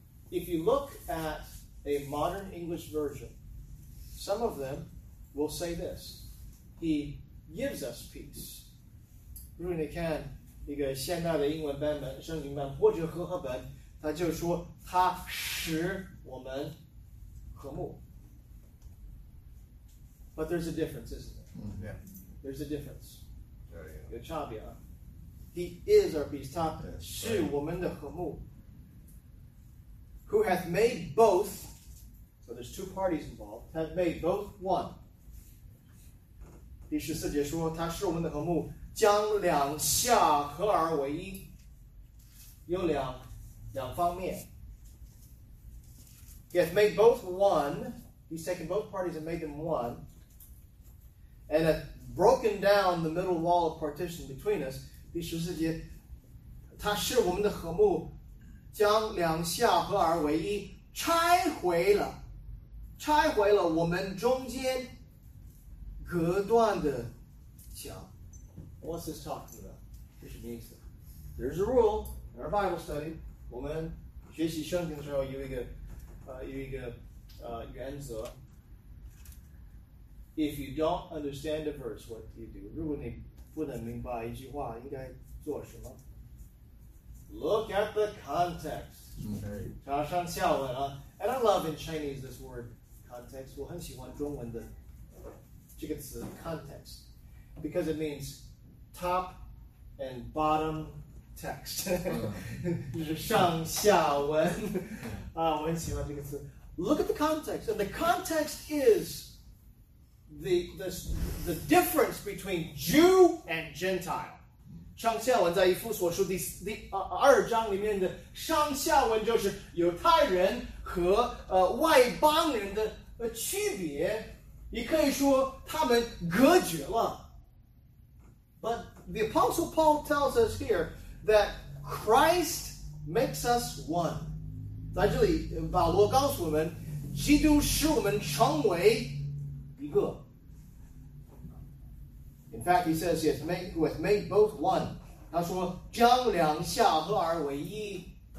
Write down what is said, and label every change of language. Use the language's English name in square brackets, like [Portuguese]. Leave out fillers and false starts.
[English] If you look at a modern English version, some of them will say this, He gives us peace. [Chinese] 如果你看一个现代的英文版本、圣经版或者和合本，他就说他使我们和睦。 [English] But there's a difference, isn't there? Yeah. There's a difference. [Chinese] 有差别啊。 [English] He is our peace. [Chinese] 他是我们的和睦。 [English] Who hath made both, so there's two parties involved, hath made both one. [Chinese] 第十四节说他是我们的和睦。将两下合而为一，有两方面。 [English] He hath made both one, he's taken both parties and made them one, and hath broken down the middle wall of partition between us. [Chinese] 第十四节，他是我们的和睦，将两下合而为一，拆毁了我们中间隔断的墙。 [English] What's this talking about? [Chinese] 这是什么意思？ [English] There's a rule in our Bible study. [Chinese] 我们学习圣经的时候有一个原则。 [English] If you don't understand a verse, what do you do? [Chinese] 如果你不能明白一句话，应该做什么？ [English] Look at the context. [Chinese] 查上下文啊。 [English] And I love in Chinese this word context. [Chinese] 我很喜欢中文的这个词 [English] context, because it means top and bottom text. [Chinese] 就是上下文啊，我很喜欢这个词。 [English] Look at the context, and the context is the difference between Jew and Gentile. [Chinese] 上下文在以弗所书第二章里面的上下文就是犹太人和外邦人的区别，也可以说他们隔绝了。 [English] But the Apostle Paul tells us here that Christ makes us one. [Chinese] 在这里，保罗告诉我们，基督使我们成为一个。 [English] In fact, he says, he has made both one. [Chinese] 他说，将两下合而为一。